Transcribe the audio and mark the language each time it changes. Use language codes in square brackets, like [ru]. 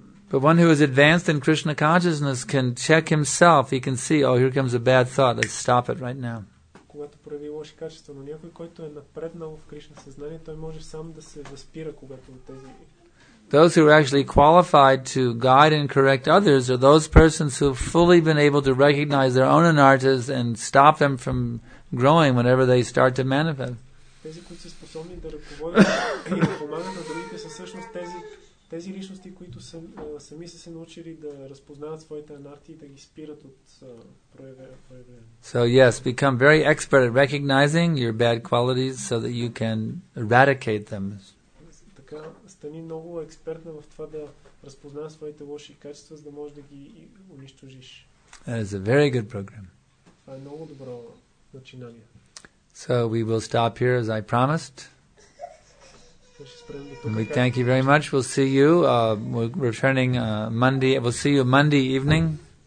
[en] But one who is advanced in Krishna consciousness can check himself. He can see, oh, here comes a bad thought. Let's stop it right now. [bg] Когато прояви лоши качества, но някой, който е напреднал в Кришна съзнание, той може сам да се възпира, когато тези... [en] Those who are actually qualified to guide and correct others are those persons who have fully been able to recognize their own anartas and stop them from growing whenever they start to manifest. [bg] Тези, които са способни да ръководят и да помагат на другите, са всъщност тези личности, които сами са се научили да разпознават своите анарти и да ги спират от проявяване. [en] So yes, become very expert at recognizing your bad qualities so that you can eradicate them. [bg] Така, стани много експертна в това да разпознаваш своите лоши качества, за да можеш да ги унищожиш. [en] That is a very good program. [bg] Това е много добро начинание. [en] So we will stop here as I promised. We thank you very much. We'll see you. We're returning Monday. We'll see you Monday evening.